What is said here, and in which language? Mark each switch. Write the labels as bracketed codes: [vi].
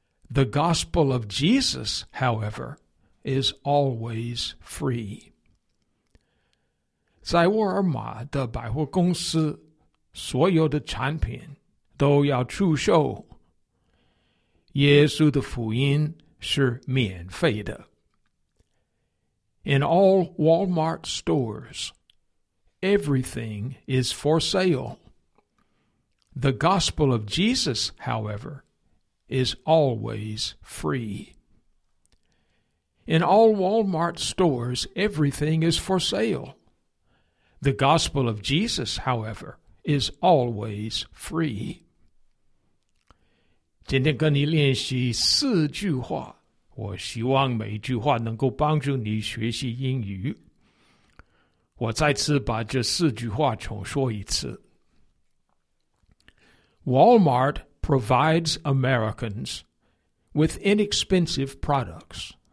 [en] The gospel of Jesus, however, is always free. [zh] 在沃尔玛的百货公司，所有的产品都要出售。耶稣的福音是免费的。 [en] In all Walmart stores, everything is for sale. The gospel of Jesus, however, is always free. In all Walmart stores, everything is for sale. The gospel of Jesus, however, is always free. [zh] 今天跟你练习四句话，我希望每一句话能够帮助你学习英语。我再次把这四句话重说一次。 [en] Walmart provides Americans with inexpensive products.